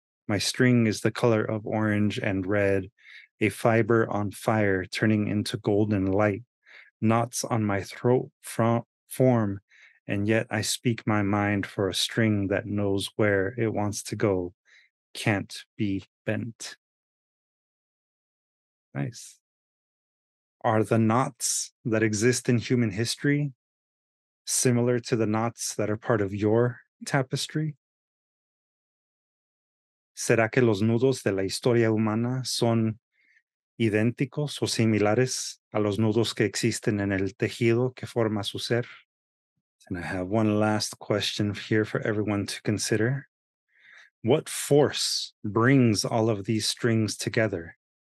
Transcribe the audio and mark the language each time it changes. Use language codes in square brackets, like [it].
[en] My string is the color of orange and red, a fiber on fire turning into golden light, knots on my throat form, and yet I speak my mind for a string that knows where it wants to go. Can't be bent. Nice. Are the knots that exist in human history similar to the knots that are part of your tapestry? [es] ¿Será que los nudos de la historia humana son idénticos o similares a los nudos que existen en el tejido que forma su ser? [en] And I have one last question here for everyone to consider. What force brings all of these strings together?